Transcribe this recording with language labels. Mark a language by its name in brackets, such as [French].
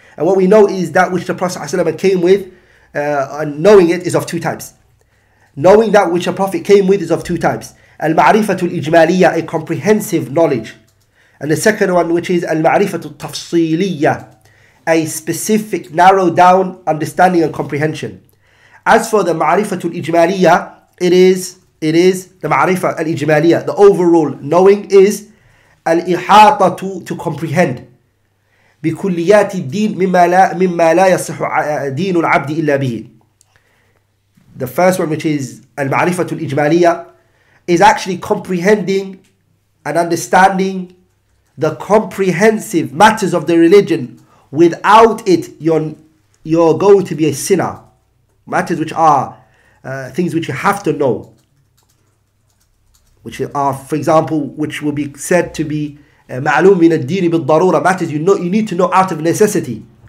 [English] And what we know is that which the Prophet ﷺ came with, knowing it is of two types. Knowing that which the Prophet came with is of two types. المعرفة الإجمالية, a comprehensive knowledge. And the second one, which is المعرفة التفصيلية, a specific, narrow down understanding and comprehension. As for the معرفة الإجمالية, it is the معرفة الإجمالية. The overall knowing is الإحاطة, to comprehend. [Arabic] بكليات الدين مما لا يصح دين العبد إلا به. [English] The first one, which is المعرفة الإجمالية, is actually comprehending and understanding the comprehensive matters of the religion. Without it, you're going to be a sinner. Matters which are things which you have to know, which are, for example, which will be said to be [Arabic] معلوم من الدين بالضرورة, [English] matters you need to know out of necessity.